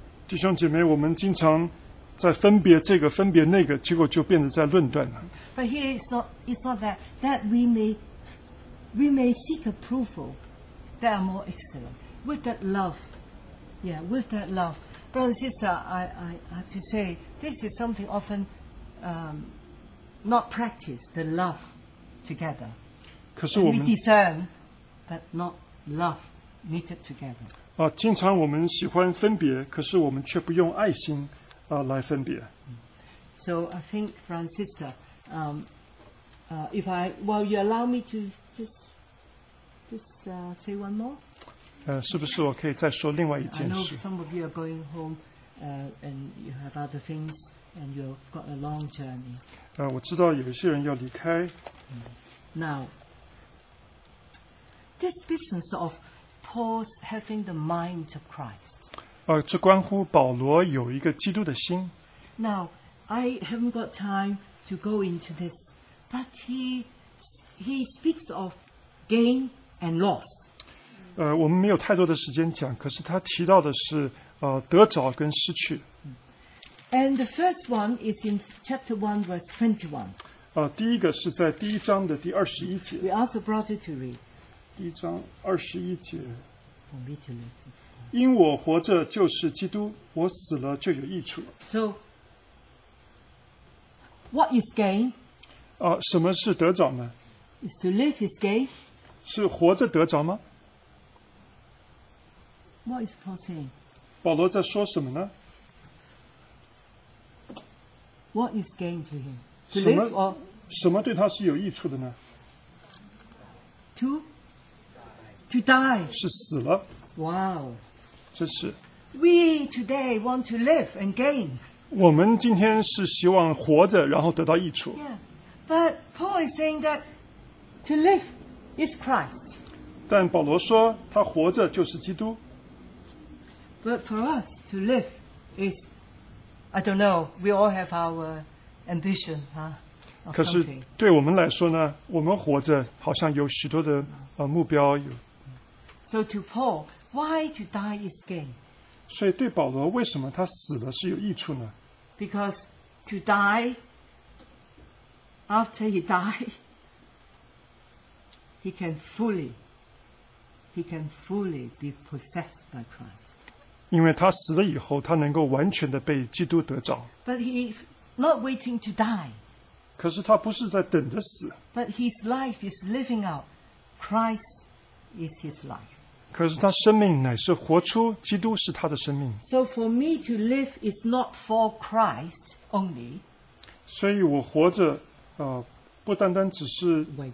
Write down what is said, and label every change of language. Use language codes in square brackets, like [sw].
[zh] 弟兄姐妹，我们经常在分别这个分别那个，结果就变得在论断了。 [en] But here it's not that we may seek approval that are more excellent with that love, yeah, with that love. Brother and sister, I have to say this is something often not practiced, the love together. [zh] 可是我们 [en] we discern, but not love knitted together. [zh] 经常我们喜欢分别，可是我们却不用爱心。来分别。 [en] So I think, friend, sister, if I, well, you allow me to just say one more. [zh] 是不是我可以再说另外一件事 [en] ？I know some of you are going home, and you have other things, and you've got a long journey. [zh] 我知道有一些人要离开。 [en] Now, this business of Paul's having the mind of Christ. [zh] 这关乎保罗有一个基督的心。 [en] Now, I haven't got time to go into this, but he speaks of gain and loss. [zh] 我们没有太多的时间讲，可是他提到的是得着跟失去。 [en] And the first one is in chapter 1, verse 21. [zh] 第一个是在第一章的第二十一节。 [en] We ask the brother to read. [zh] 第一章二十一节。 [en] For me to read. [zh] 因我活着就是基督，我死了就有益处。 [en] So, what is gain? [zh] 什么是得着呢 [en] ？Is to live is gain? [zh] 是活着得着吗 [en] ？What is Paul saying? [zh] 保罗在说什么呢 [en] ？What is gain to him? To live or [zh] 什么对他是有益处的呢 [en] ？To die [zh] 是死了。 [en] Wow. [zh] 真是 [en] We today want to live and gain. [zh] 我们今天是希望活着，然后得到益处。 [en] Yeah, but Paul is saying that to live is Christ. [zh] 但保罗说，他活着就是基督。 [en] But for us to live is, I don't know. We all have our ambition, huh? [zh] 可是对我们来说呢，我们活着好像有许多的目标有。 [en] So to Paul. Why to die is gain? [zh] 所以对保罗为什么他死了是有益处呢 [en] ？Because to die after he die, he can fully be possessed by Christ. [zh] 因为他死了以后，他能够完全的被基督得着。 [en] But he not waiting to die. [zh] 可是他不是在等着死。 [en] But his life is living out. Christ is his life. [zh] 可是他生命乃是活出基督是他的生命。 [en] So for me to live is not for Christ only. [zh] 所以我活着，不单单只是